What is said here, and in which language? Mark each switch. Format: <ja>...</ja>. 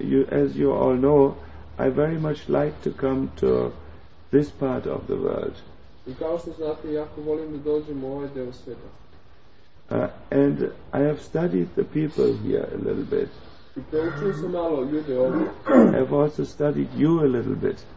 <en>As you all know, I very much like to come to this part of the world.</en> <sr>I kao što znate, jako volim da dođem u ovaj deo sveta.</sr> <en>And I have studied the people here a little bit.</en> <sr>I proučio sam malo ljude ovdje.</sr> <en>I have also studied you a little bit.</en>